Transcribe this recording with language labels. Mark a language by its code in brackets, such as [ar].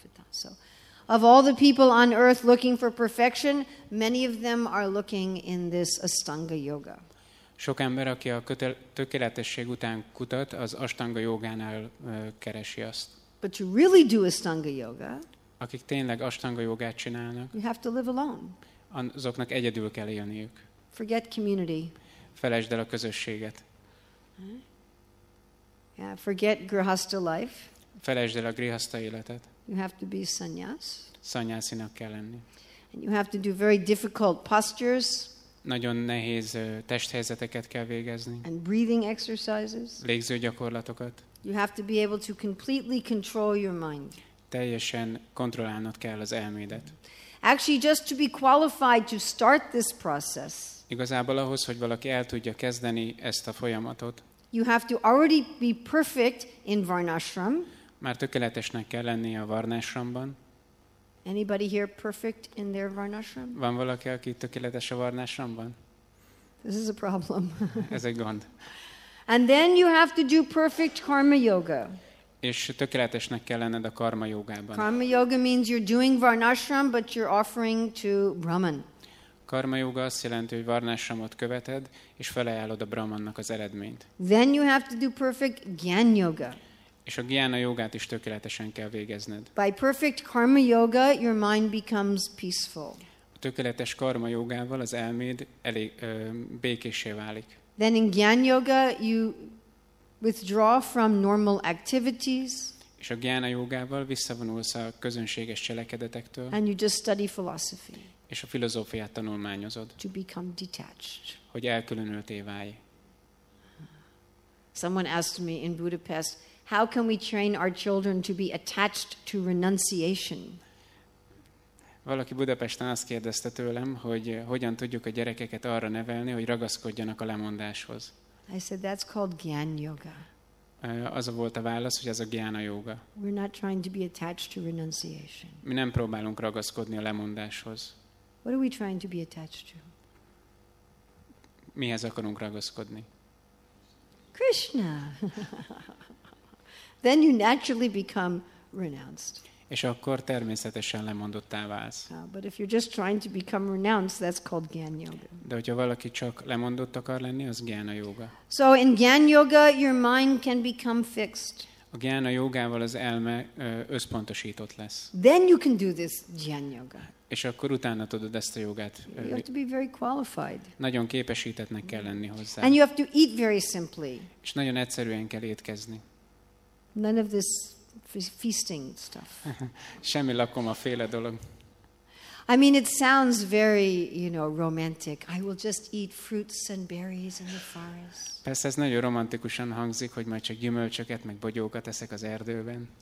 [en] So, of all the people on earth looking for perfection, many of them are looking in this Ashtanga yoga. [hu] Sok ember, aki a tökéletesség után kutat, az Ashtanga yogánál keresi azt. [en] But to really do Ashtanga yoga, [hu] akik tényleg Ashtanga jogát csinálnak, [en] you have to live alone. [hu] Azoknak egyedül kell élniük. [en] Forget community. [hu] Felejtsd el a közösséget. [en] Yeah, forget grihasta life. [hu] Felejtsd el a grihasta életet. [en] You have to be sannyas. [hu] Sannyásinak kell lenni. [en] And you have to do very difficult postures. [hu] Nagyon nehéz testhelyzeteket kell végezni. [en] And breathing exercises. [hu] Légző gyakorlatokat. [en] You have to be able to completely control your mind. [hu] Teljesen kontrollálnod kell az elmédet. [en] Actually, just to be qualified to start this process. [hu] Igazából ahhoz, hogy valaki el tudja kezdeni ezt a folyamatot. [en] You have to already be perfect in Varnashram. [hu] Már tökéletesnek kell lenni a Varnashramban. [en] Anybody here perfect in their Varnashram? [hu] Van valaki, aki tökéletes a Varnashramban? [en] This is a problem. [hu] Ez egy gond. [en] And then you have to do perfect Karma Yoga. [hu] És tökéletesnek kell lenned a karma jogában. [en] Karma yoga means you're doing varnashram, but you're offering to Brahman. [hu] Karma yoga azt jelenti, hogy varnashramot követed, és felajánlod a Brahmannak az eredményt. [en] Then you have to do perfect gyan yoga. [hu] És a gyána jogát is tökéletesen kell végezned. [en] By perfect karma yoga, your mind becomes peaceful. [hu] A tökéletes karma jogával az elméd elég békéssé válik. [en] Then in gyan yoga, you withdraw from normal activities. [hu] És a gyána jogával visszavonulsz a közönséges cselekedetektől. [en] And you just study philosophy. [hu] És a filozófiát tanulmányozod. [en] To become detached. [hu] Hogy elkülönülté válj. [en] Someone asked me in Budapest, how can we train our children to be attached to renunciation? [hu] Valaki Budapesten azt kérdezte tőlem, hogy hogyan tudjuk a gyerekeket arra nevelni, hogy ragaszkodjanak a lemondáshoz. [en] I said that's called gyan yoga. [hu] Az a volt a válasz, hogy ez a gyána jóga. [en] We're not trying to be attached to renunciation. [hu] Mi nem próbálunk ragaszkodni a lemondáshoz. [en] What are we trying to be attached to? [hu] Mihez akarunk ragaszkodni? [en] Krishna. Then you naturally become renounced. [hu] És akkor természetesen lemondottá válsz. [en] But if you're just trying to become renounced, that's called gyan yoga. [hu] De hogyha valaki csak lemondott akar lenni, az gyána jóga. [en] So in gyan yoga, your mind can become fixed. [hu] A gyána jógával az elme összpontosított lesz. [en] Then you can do this gyan yoga. [hu] És akkor utána tudod ezt a jogát. [en] You have to be very qualified. [hu] Nagyon képesítettnek kell lenni hozzá. [en] And you have to eat very simply. [hu] És nagyon egyszerűen kell étkezni. [en] None of this feasting stuff. [hu] Semmi lakoma féle dolog. [en] I mean, it sounds very, you know, romantic. I will just eat fruits and berries in the forest. [hu] Persze, ez nagyon romantikusan hangzik, hogy majd csak gyümölcsöket, meg bogyókat eszek az erdőben.